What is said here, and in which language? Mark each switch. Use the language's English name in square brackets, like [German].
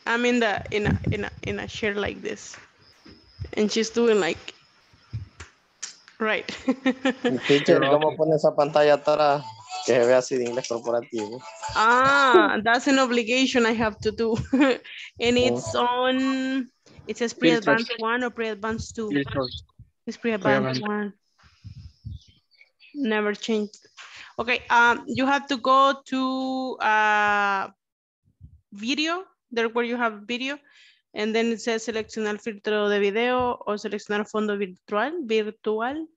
[English] I'm in the in a chair like this. And she's doing like right. [Spanish] Teacher, ¿cómo pone esa pantalla atrás que se ve así de inglés corporativo? [English] Ah, that's an obligation I have to do. And it's on, it says pre-advanced filters. One or pre-advanced two. Filters. It's pre-advanced one. Never changed. Okay, you have to go to video, there where you have video, and then it says [Spanish] seleccionar filtro de video o seleccionar fondo virtual, [English] virtual.